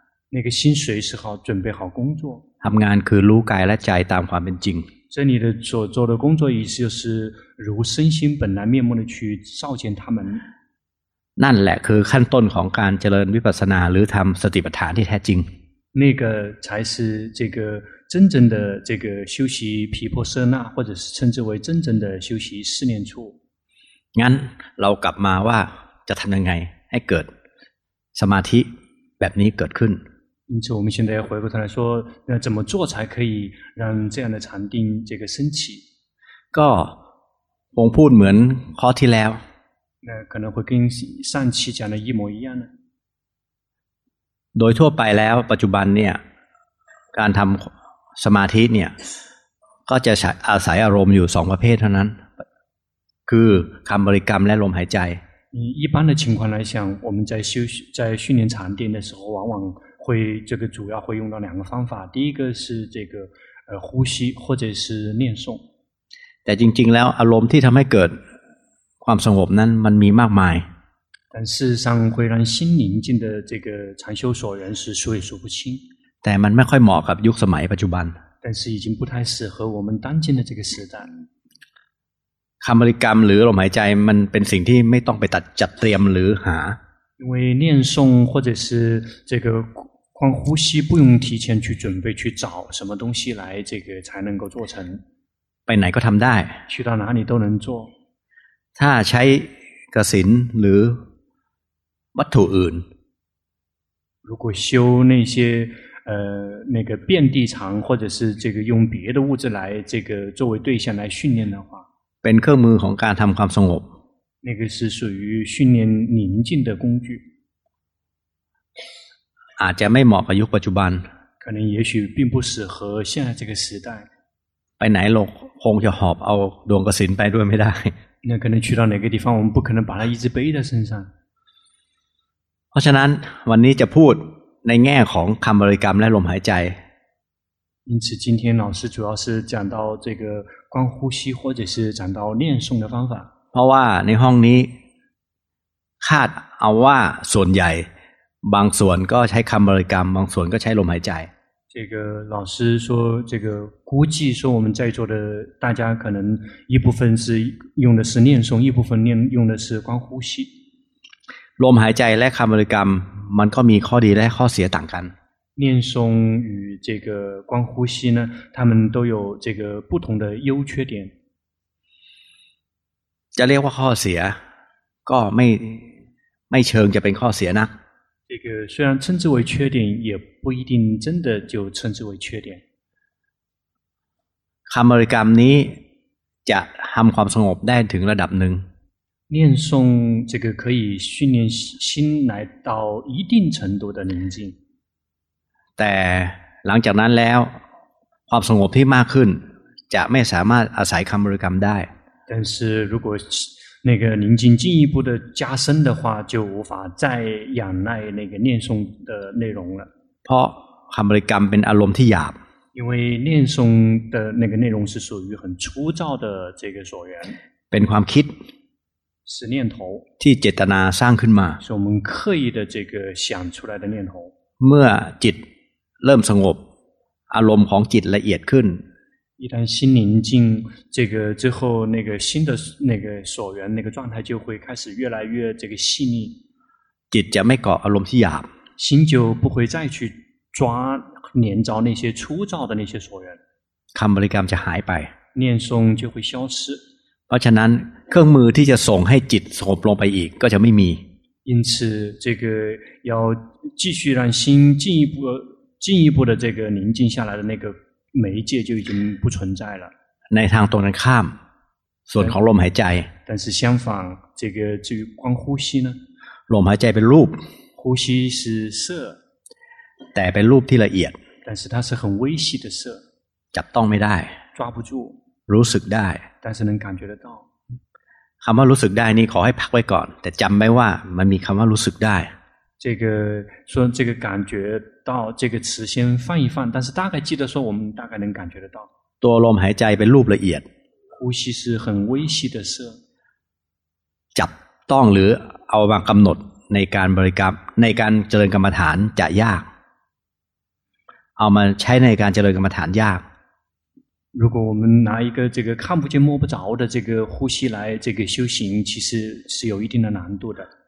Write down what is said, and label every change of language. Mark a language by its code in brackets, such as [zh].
[zh] 那个心随时好准备好工作 [th] ทำงานคือรู้กายและใจตามความเป็นจริง [zh] 这里的所做的工作意思就是如身心本来面目的去照见他们 [th] นั่นแหละคือขั้นต้นของการเจริญวิปัสสนาหรือทำสติปัฏฐานที่แท้จริง [zh] 那个才是这个真正的这个修习毗婆舍那或者是称之为真正的修习四念处 [th] งั้นเรากลับมาว่าจะทำยังไงให้เกิดสมาธิแบบนี้เกิดขึ้น [zh] 因此我们现在回过头来说那怎么做才可以让这样的禅定这个升起 [th] ก็ผมพูดเหมือนข้อที่แล้ว [zh] 那可能会跟上期讲的一模一样呢 [th] โดยทั่วไปแล้วปัจจุบันเนี่ยการทำสมาธิเนี่ยก็จะอาศัยอารมณ์อยู่2ประเภทเท่านั้นคือคำบริกรรมและลมหายใจ [zh] 一般的情况来讲我们在修在训练禅定的时候往往会这个主要会用到两个方法第一个是这个呼吸或者是念诵 [th] แต่จริงๆแล้วอารมณ์ที่ทำให้เกิดความสงบนั้นมันมีมากมาย [zh] 但事实上会让心宁静的这个禅修所缘是数也数不清 [th] แต่มันไม่ค่อยเหมาะกับยุคสมัยปัจจุบัน [zh] 但是已经不太适合我们当今的这个时代 [th] คำบริกรรมหรือลมหายใจมันเป็นสิ่งที่ไม่ต้องไปตัดจัดเตรียมหรือหา [zh] 因为念诵或者是这个光呼吸不用提前去准备去找什么东西来这个才能够做成 [th] ไปไหนก็ทำได้ [zh] 去到哪里都能做 [th] ถ้าใช้ก กสิณหรือวัตถุอื่น [zh] 如果修那些那个遍地藏或者是这个用别的物质来这个作为对象来训练的话 [th] เป็นเครื่องมือของการทำความสงบ [zh] 那个是属于训练宁静的工具 [th] อาจจะไม่เหมาะกับยุคปัจจุบัน [zh] 可能也许并不适合现在这个时代 [th] ไปไหนหรอกคงจะหอบเอาดวงกสิณไปด้วยไม่ได้ [zh] 那可能去到哪个地方我们不可能把它一直背在身上 [th] เพราะฉะนั้นวันนี้จะพูดในแง่ของคำบริกรรมและลมหายใจ [zh] 因此今天老师主要是讲到这个观呼吸或者是讲到念诵的方法 [th] เพราะว่าในห้องนี้คาดเอาว่าส่วนใหญ่บางส่วนก็ใช้คำบริกรรมบางส่วนก็ใช้ลมหายใจ [zh] 这个老师说这个估计说我们在座的大家可能一部分是用的是念诵一部分念用的是观呼吸 [th] ลมหายใจและคำบริกรรมมันก็มีข้อดีและข้อเสียต่างกัน [zh] 念诵与这个观呼吸呢他们都有这个不同的优缺点 [th] จะเรียกว่าข้อเสียก็ไม่เชิงจะเป็นข้อเสียนะ [zh] 这个虽然称之为缺点也不一定真的就称之为缺点 [th] คำบริกรรมนี้จะทำความสงบได้ถึงระดับหนึ่ง [zh] 念诵这个可以训练心来到一定程度的宁静 [th] แต่หลังจากนั้นแล้วความสงบที่มากขึ้นจะไม่สามารถอาศัยคำบริกรรมได้ [zh] 但是如果那个宁静进一步的加深的话就无法再仰赖那个念诵的内容了 [th] เพราะคำบริกรรมเป็นอารมณ์ที่หยาบ [zh] 因为念诵的那个内容是属于很粗糙的这个所缘 [th] เป็นความคิด [zh] 是念头 [th] ที่เจตนาสร้างขึ้นมา [zh] 是我们刻意的这个想出来的念头 [th] เมื่อจิตเริ่มสงบอารมณ์ของจิตละเอียดขึ้น [zh] 一旦心宁静这个之后那个心的那个所缘那个状态就会开始越来越这个细腻 [th] จิตจะไม่เกาะอารมณ์ที่หยาบ [zh] 心就不会再去抓黏着那些粗糙的那些所缘 [th] คำบริกรรมจะหายไป [zh] 念诵就会消失 [th] เพราะฉะนั้นเครื่องมือที่จะส่งให้จิตสงบลงไปอีกก็จะไม่มี [zh] 因此这个要继续让心进一步的这个宁静下来的那个媒介就已经不存在了 [th] ในทางตรงข้ามส่วนของลมหายใจ [zh] 但是相反这个至于观呼吸呢 [th] ลมหายใจเป็นรูป [zh] 呼吸是色 [th] แต่เป็นรูปที่ละเอียด [zh] 但是它是很微细的色 [th] จับต้องไม่ได้ [zh] 抓不住 [th] รู้สึกได้ [zh] 但是能感觉得到 [th] คำว่ารู้สึกได้นี่ขอให้พักไว้ก่อนแต่จำไว้ว่ามันมีคำว่ารู้สึกได้ [zh] 这个说这个感觉到这个词先放一放但是大概记得说我们大概能感觉得到 [th] ตัวลมหายใจเป็นรูปละเอียด [zh] 呼吸是很微细的色 [th] จับต้องหรือเอามากำหนดในการบริกรรมในการเจริญกรรมฐานจะยากเอามาใช้ในการเจริญกรรมฐานยาก [zh] 如果我们拿一个这个看不见摸不着的这个呼吸来这个修行，其实是有一定的难度的。